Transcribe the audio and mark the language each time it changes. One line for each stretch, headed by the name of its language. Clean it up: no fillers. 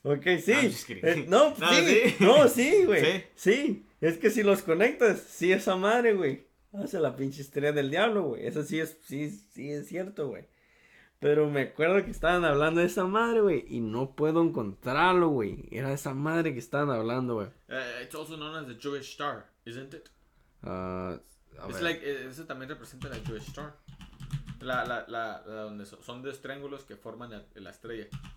Spanish: Ok, sí. No,
English: just kidding.
Spanish: No, sí, güey. ¿Sí? Sí, es que si los conectas, sí, esa madre, güey, hace la pinche estrella del diablo, güey. Eso sí es, sí, sí es cierto, güey. Pero me acuerdo que estaban hablando de esa madre, güey, y no puedo encontrarlo, güey. Era esa madre que estaban hablando, güey.
English: It's also known as the Jewish star, isn't it? It's like,
Spanish: eso también representa la
English: Jewish star.
Spanish: La donde son dos triángulos que forman la estrella.